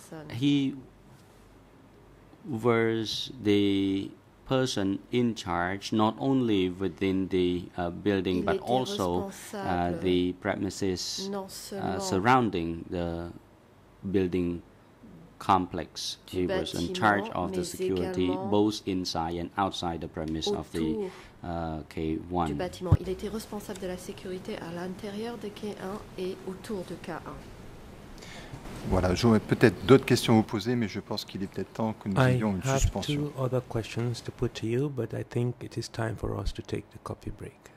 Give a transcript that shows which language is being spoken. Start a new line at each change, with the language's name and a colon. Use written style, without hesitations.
English: He was the person in charge not only within the building but also the premises surrounding the building complex. He was in charge of the security both inside and outside the premise of the K1.
French: Du bâtiment. Il était responsable de la sécurité à l'intérieur de K1 et autour de K1. Voilà, j'aurais peut-être d'autres questions à vous poser, mais je pense qu'il est peut-être temps que nous ayons une suspension.
English: I have two other questions to put to you, but I think it is time for us to take the coffee break.